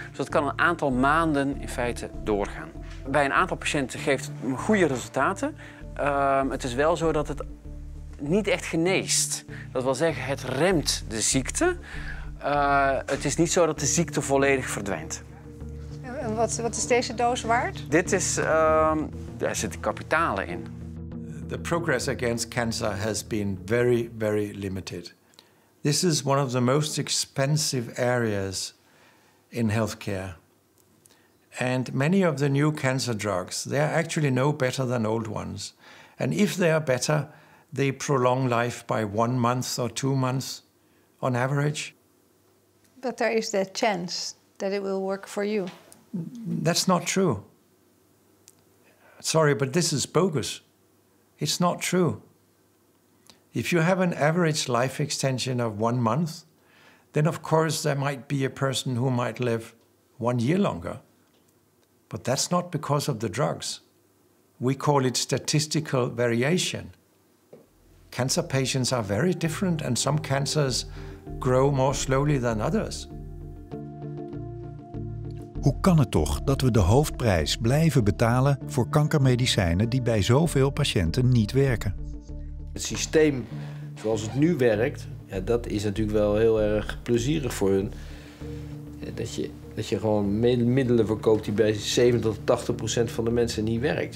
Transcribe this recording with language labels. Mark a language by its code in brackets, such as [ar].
[nl] Dus dat kan een aantal maanden in feite doorgaan. Bij een aantal patiënten geeft het goede resultaten. Het is wel zo dat het niet echt geneest. Dat wil zeggen, het remt de ziekte. Het is niet zo dat de ziekte volledig verdwijnt. En wat is deze doos waard? Dit is, daar zitten kapitalen in. [en] The progress against cancer has been very, very limited. This is one of the most expensive areas in healthcare. And many of the new cancer drugs, they are actually no better than old ones. And if they are better, they prolong life by 1 month or 2 months on average. But there is the chance that it will work for you. That's not true. Sorry, but this is bogus. It's not true. If you have an average life extension of 1 month, then of course there might be a person who might live 1 year longer. But that's not because of the drugs. We call it statistical variation. Cancer patients are very different, and some cancers grow more slowly than others. [nl] Hoe kan het toch dat we de hoofdprijs blijven betalen voor kankermedicijnen die bij zoveel patiënten niet werken? Het systeem zoals het nu werkt, ja, dat is natuurlijk wel heel erg plezierig voor hun. Ja, dat je gewoon middelen verkoopt die bij 70-80% van de mensen niet werkt.